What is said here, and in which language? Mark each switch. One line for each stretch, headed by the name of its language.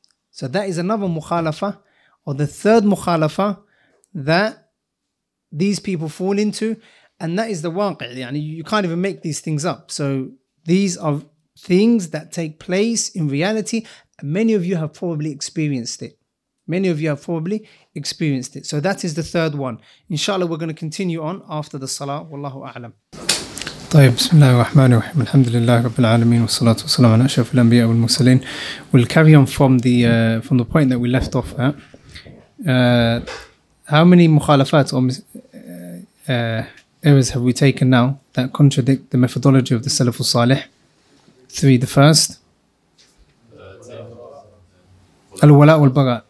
English: So that is another mukhalafa, or the third mukhalafa that these people fall into, and that is the waqi'. Yani you can't even make these things up. So these are things that take place in reality, and many of you have probably experienced it. Many of you have probably experienced it. So that is the third one. Inshallah, we're going to continue on after the salah. Wallahu a'lam.
Arabic: طيب بسم الله الرحمن الرحيم الحمد لله رب العالمين والصلاة والسلام على أشرف الأنبياء والمرسلين.
English: We'll carry on from the point that we left off at. How many مخالفات or errors have we taken now that contradict the methodology of the Salaf al-Salih? Three, the first.
Arabic: الولاء والبراء.